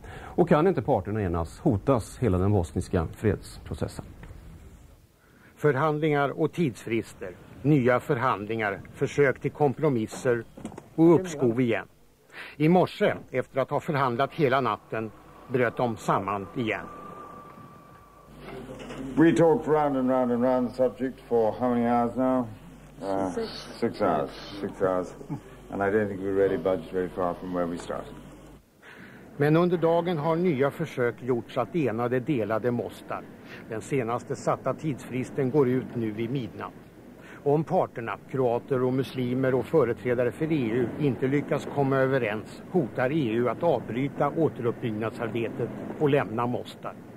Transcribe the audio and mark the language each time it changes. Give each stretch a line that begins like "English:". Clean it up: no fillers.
Swedish: Och kan inte parterna enas hotas hela den bosniska fredsprocessen. Förhandlingar och tidsfrister. Nya förhandlingar, försök till kompromisser och uppskov igen. I morse, efter att ha förhandlat hela natten, bröt de samman igen.
English: We talked round and round and round the subject for how many hours now? Six hours. And I don't think we're really budget very far from where we started.
Swedish: Men under dagen har nya försök gjorts att ena det delade Mostar. Den senaste satta tidsfristen går ut nu vid midnatt. Om parterna, kroater och muslimer och företrädare för EU, inte lyckas komma överens, hotar EU att avbryta återuppbyggnadsarbetet och lämna Mostar.